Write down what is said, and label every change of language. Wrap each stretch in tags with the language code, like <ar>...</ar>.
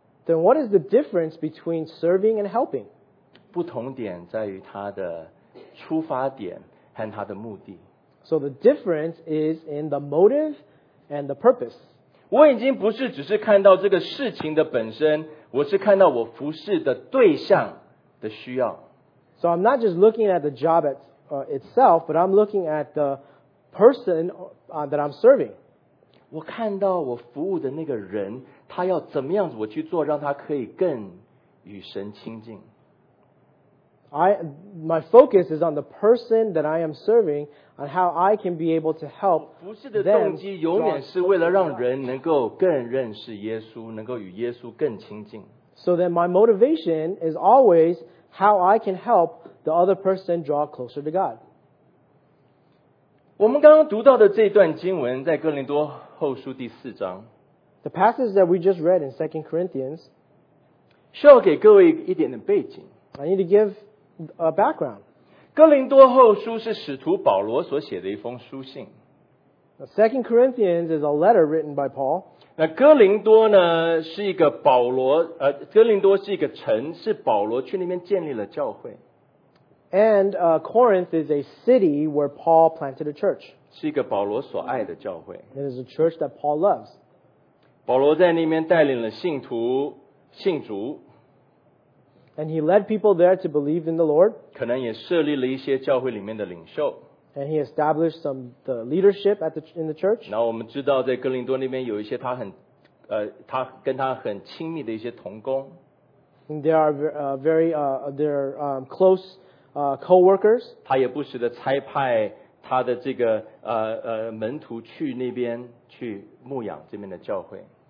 <en>Then what is the difference between serving and helping?</en> <zh>不同点在于他的出发点和他的目的。</zh> <en>So the difference is in the motive and the purpose.</en> <zh>我已经不是只是看到这个事情的本身，我是看到我服事的对象的需要。</zh> <en>So I'm not just looking at the job itself, but I'm looking at the person that I'm serving.</en> <zh>我看到我服务的那个人，他要怎么样子我去做，让他可以更与神亲近。</zh> <en>My focus is on the person that I am serving and how I can be able to help them.</en> <zh>服事的动机永远是为了让人能够更认识耶稣，能够与耶稣更亲近。</zh> <en>So then my motivation is always how I can help the other person draw closer to God.</en> <zh>我们刚刚读到的这段经文在哥林多后书第四章。</zh> <en>The passage that we just read in 2 Corinthians</en> <zh>需要给各位一点的背景。</zh> <en>I need to give a background.</en> <zh>哥林多后书是使徒保罗所写的一封书信。</zh> <en>Second Corinthians is a letter written by Paul.</en> <zh>那哥林多呢，是一个保罗，哥林多是一个城，是保罗去那边建立了教会。</zh> <en>And Corinth is a city where Paul planted a church.</en> <zh>是一个保罗所爱的教会。</zh> <en>It is a church that Paul loves.</en> <zh>保罗在那边带领了信徒，信主。</zh> <en>And he led people there to believe in the Lord.</en> <zh>可能也设立了一些教会里面的领袖。</zh> <en>And he established some the leadership in the church.</en> <zh>然后我们知道在哥林多那边有一些他跟他很亲密的一些同工。</zh> <en>They are close co-workers.</en> <zh>他也不时的差派他的这个门徒去那边去牧养这边的教会。</zh>